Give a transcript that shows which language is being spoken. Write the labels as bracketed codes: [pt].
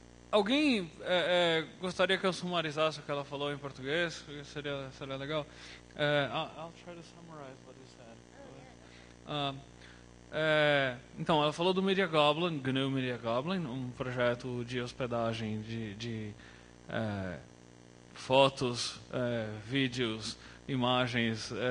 [pt] Alguém gostaria que eu sumarizasse o que ela falou em português? Seria legal? [en] I'll try to summarize what you said. [pt] Então, ela falou do Media Goblin, GNU Media Goblin, um projeto de hospedagem de fotos, vídeos, imagens...